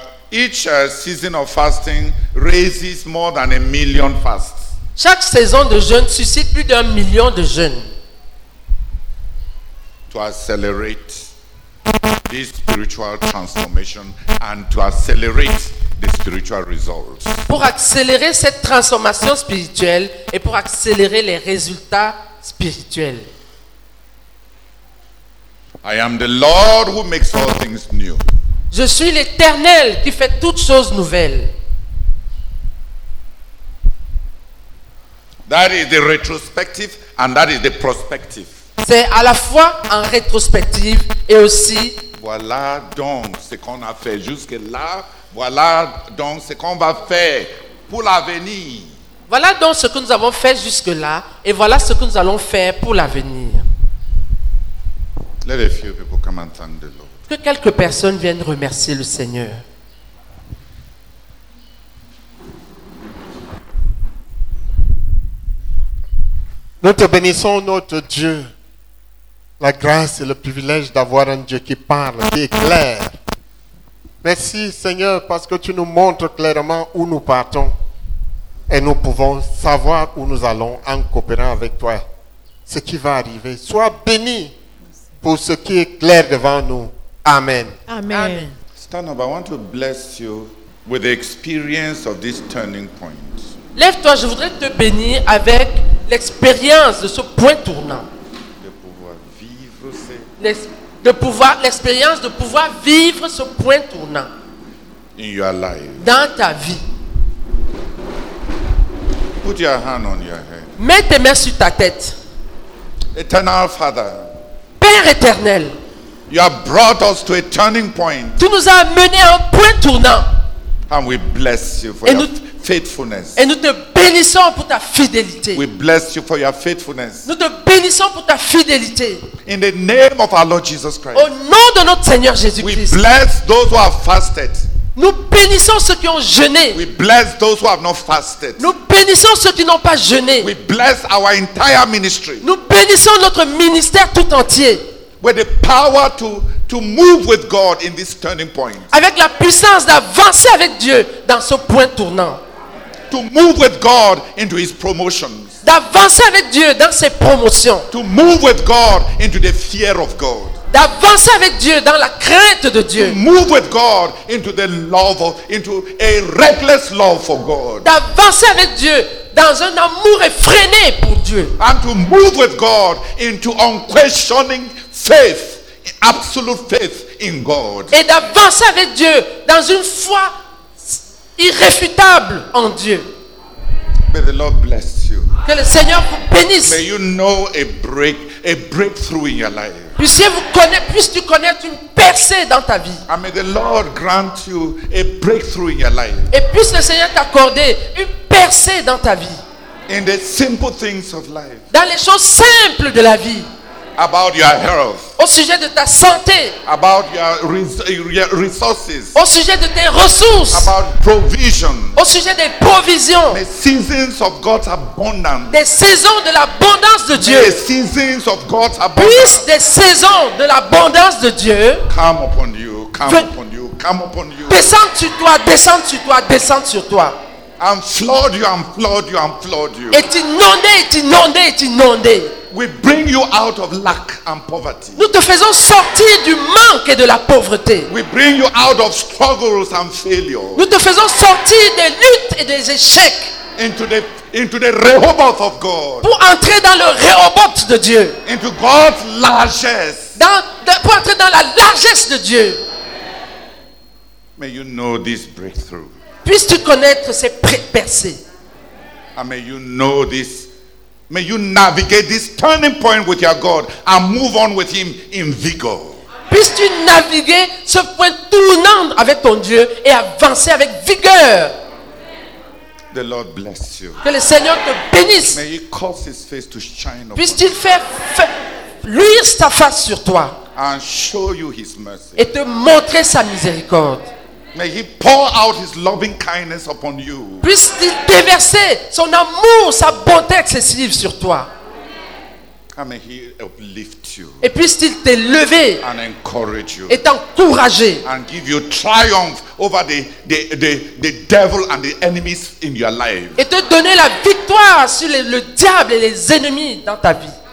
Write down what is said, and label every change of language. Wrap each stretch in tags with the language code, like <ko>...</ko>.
<en>each season of fasting raises more than a million fasts.</en> <fr>Chaque saison de jeûne suscite plus d'un million de jeûnes.</fr> <en>To accelerate this spiritual transformation and to accelerate the spiritual results.</en> <fr>Pour accélérer cette transformation spirituelle et pour accélérer les résultats spirituels.</fr> <en>I am the Lord who makes all things new.</en> <fr>Je suis l'Éternel qui fait toutes choses nouvelles.</fr> <en>That is the retrospective and that is the prospective.</en> <fr>C'est à la fois en rétrospective et aussi. Voilà donc ce qu'on a fait jusque là. Voilà donc ce qu'on va faire pour l'avenir. Voilà donc ce que nous avons fait jusque là et voilà ce que nous allons faire pour l'avenir.</fr> <en>Let a few people come and thank the Lord.</en> <fr>Que quelques personnes viennent remercier le Seigneur. Nous te bénissons, notre Dieu, la grâce et le privilège d'avoir un Dieu qui parle, qui éclaire. Merci, Seigneur, parce que tu nous montres clairement où nous partons et nous pouvons savoir où nous allons en coopérant avec toi, ce qui va arriver. Sois béni pour ce qui est clair devant nous. Amen. Amen.</fr> <en>Stand up, I want to bless you with the experience of this turning point.</en> <fr>Lève-toi, je voudrais te bénir avec l'expérience de ce point tournant. De pouvoir vivre ces... de pouvoir, l'expérience de pouvoir vivre ce point tournant</fr> <en>in your life.</en> <fr>Dans ta vie.</fr> <en>Put your hand on your head.</en> <fr>Mets tes mains sur ta tête.</fr> <en>Eternal Father,</en> <fr>Père éternel,</fr> <en>you have brought us to a turning point.</en> <fr>Tu nous as amené à un point tournant.</fr> <en>And we bless you for your faithfulness.</en> <fr>Et nous te bénissons pour ta fidélité.</fr> <en>We bless you for your faithfulness.</en> <fr>Nous te bénissons pour ta fidélité.</fr> <en>In the name of our Lord Jesus Christ.</en> <fr>Au nom de notre Seigneur Jésus Christ.</fr> <en>We bless those who have fasted.</en> <fr>Nous bénissons ceux qui ont jeûné.</fr> <en>We bless those who have not fasted.</en> <fr>Nous bénissons ceux qui n'ont pas jeûné.</fr> <en>We bless our entire ministry.</en> <fr>Nous bénissons notre ministère tout entier.</fr> <en>With the power to move with God in this turning point.</en> <fr>Avec la puissance d'avancer avec Dieu dans ce point tournant.</fr> <en>To move with God into his promotions.</en> <fr>D'avancer avec Dieu dans ses promotions.</fr> <en>To move with God into the fear of God.</en> <fr>D'avancer avec Dieu dans la crainte de Dieu.</fr> <en>To move with God into the love of, into a reckless love for God.</en> <fr>D'avancer avec Dieu dans un amour effréné pour Dieu.</fr> <en>And to move with God into unquestioning faith, absolute faith in God.</en> <fr>Et d'avancer avec Dieu dans une foi irréfutable en Dieu.</fr> <en>May the Lord bless you.</en> <fr>Que le Seigneur vous bénisse.</fr> <en>May you know a breakthrough in your life.</en> <fr>Puisses-tu connaître une percée dans ta vie.</fr> <en>And may the Lord grant you a breakthrough in your life.</en> <fr>Et puisse le Seigneur t'accorder une percée dans ta vie.</fr> <en>In the simple things of life.</en> <fr>Dans les choses simples de la vie.</fr> <en>About your health.</en> <fr>Au sujet de ta santé.</fr> <en>About your resources.</en> <fr>Au sujet de tes ressources.</fr> <en>About provision.</en> <fr>Au sujet des provisions.</fr> <en>The seasons of God's abundance.</en> <fr>Des saisons de l'abondance de Dieu.</fr> <en>The seasons of God's abundance.</en> <fr>Puisse des saisons de l'abondance de Dieu.</fr> <en>Come upon you, come upon you, come upon you.</en> <fr>Descends sur toi, descends sur toi, descends sur toi.</fr> <en>And flood you, and flood you, and flood you.</en> <fr>Et inonder, et inonder, et inonder.</fr> <en>We bring you out of lack and poverty.</en> <fr>Nous te faisons sortir du manque et de la pauvreté.</fr> <en>We bring you out of struggles and failure.</en> <fr>Nous te faisons sortir des luttes et des échecs.</fr> <en>Into the Rehoboth of God.</en> <fr>Pour entrer dans le Rehoboth de Dieu.</fr> <en>Into God's largesse.</en> <fr>Pour entrer dans la largesse de Dieu.</fr> <en>May you know this breakthrough.</en> <fr>Puisses-tu connaître ces percées.</fr> <en>And may you know this. May you navigate this turning point with your God and move on with him in vigor.</en> <fr>Puisses-tu naviguer ce point tournant avec ton Dieu et avancer avec vigueur.</fr> <en>The Lord bless you.</en> <fr>Que le Seigneur te bénisse.</fr> <en>May he cause his face to shine upon.</en> <fr>Puisses-tu faire luire sa face sur toi.</fr> <en>And show you his mercy.</en> <fr>Et te montrer sa miséricorde.</fr> <en>May he pour out his loving kindness upon you.</en> <fr>Puisse-t-il déverser son amour, sa bonté excessive sur toi.</fr> <en>And may he uplift you.</en> <fr>Et puisse-t-il t'élever.</fr> <en>And encourage you.</en> <fr>Et t'encourager.</fr> <en>And give you triumph over the devil and the enemies in your life.</en> <fr>Et te donner la victoire sur le diable et les ennemis dans ta vie.</fr>